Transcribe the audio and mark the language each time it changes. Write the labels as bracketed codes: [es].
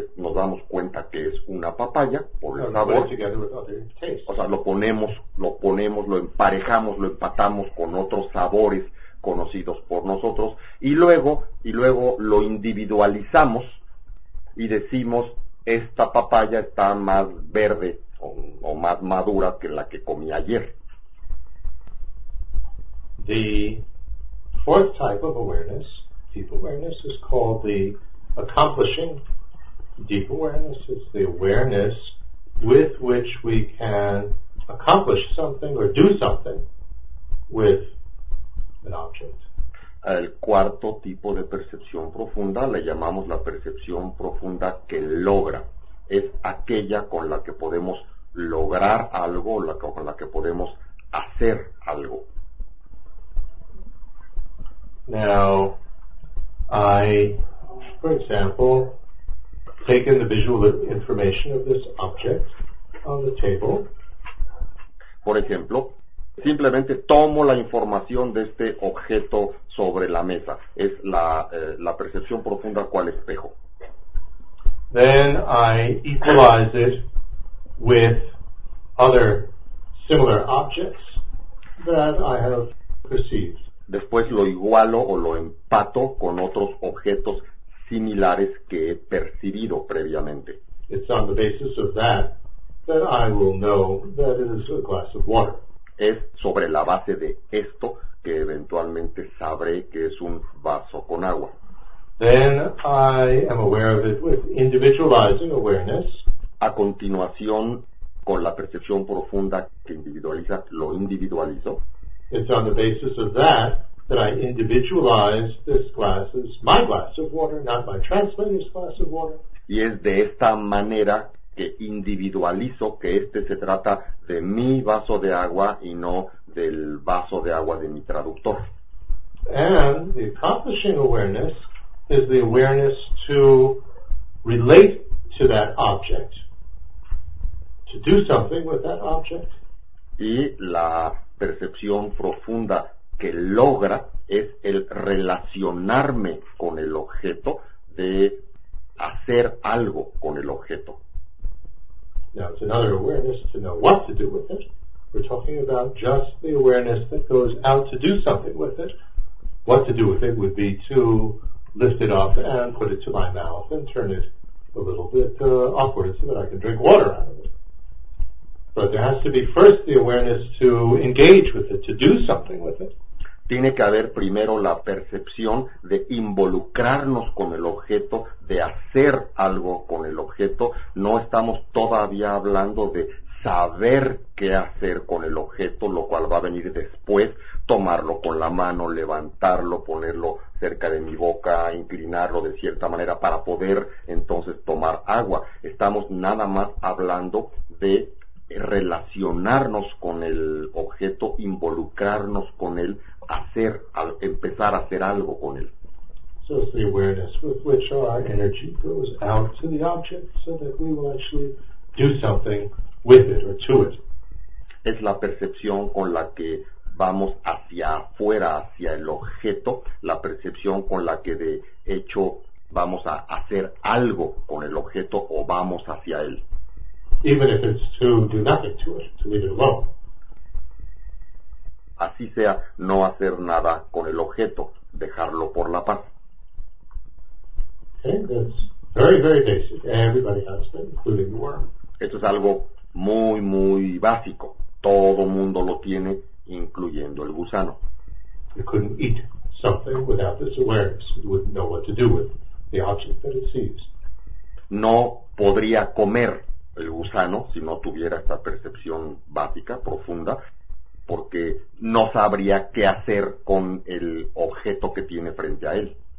[es] Nos damos cuenta que es una papaya por el sabor. O sea, lo emparejamos con otros sabores conocidos por nosotros, y luego lo individualizamos y decimos, esta papaya está más verde o más madura que la que comí ayer. [en] The fourth type of awareness, deep awareness, is called the accomplishing. Deep awareness is the awareness with which we can accomplish something or do something with an object. [es] El cuarto tipo de percepción profunda le llamamos la percepción profunda que logra. Es aquella con la que podemos lograr algo, con la que podemos hacer algo. [en] Now, I, for example, take in the visual information of this object on the table. [es] Por ejemplo, simplemente tomo la información de este objeto sobre la mesa. Es la percepción profunda cual espejo. [en] Then I equalize it with other similar objects that I have perceived. [es] Después lo igualo o lo empato con otros objetos similares que he percibido previamente. [en] It's on the basis of that that I will know that it is a glass of water. [es] Es sobre la base de esto que eventualmente sabré que es un vaso con agua. [en] Then I am aware of it with individualizing awareness. [es] A continuación, con la percepción profunda que individualiza, lo individualizo. [en] It's on the basis of that I individualize this glass as my glass of water, not my translator's glass of water. [es] Y es de esta manera que individualizo que este se trata de mi vaso de agua y no del vaso de agua de mi traductor. [en] And the accomplishing awareness is the awareness to relate to that object, to do something with that object. [es] Y la percepción profunda que logra es el relacionarme con el objeto, de hacer algo con el objeto. [en] Now it's another awareness to know what to do with it. We're talking about just the awareness that goes out to do something with it. What to do with it would be to lift it up and put it to my mouth and turn it a little bit awkward so that I can drink water out of it. But there has to be first the awareness to engage with it, to do something with it. [es] Tiene que haber primero la percepción de involucrarnos con el objeto, de hacer algo con el objeto. No estamos todavía hablando de saber qué hacer con el objeto, lo cual va a venir después, tomarlo con la mano, levantarlo, ponerlo cerca de mi boca, inclinarlo de cierta manera para poder entonces tomar agua. Estamos nada más hablando de relacionarnos con el objeto, involucrarnos con él, empezar a hacer algo con él. [en] So it's the awareness with which our energy goes out to the object so that we will actually do something with it or to it. [es] Es la percepción con la que vamos hacia afuera, hacia el objeto, la percepción con la que de hecho vamos a hacer algo con el objeto o vamos hacia él. [en] Even if it's to do nothing to it, to leave it alone. [es] Así sea, no hacer nada con el objeto, dejarlo por la paz. [en] Okay, that's very, very basic. Everybody has that, including the worm. [es] Esto es algo muy, muy básico. Todo mundo lo tiene, incluyendo el gusano. [en] You couldn't eat something without this awareness. You wouldn't know what to do with the object that it sees. [es] No podría comer el gusano si no tuviera esta percepción básica, profunda, porque no sabría qué hacer con el objeto que tiene frente a él.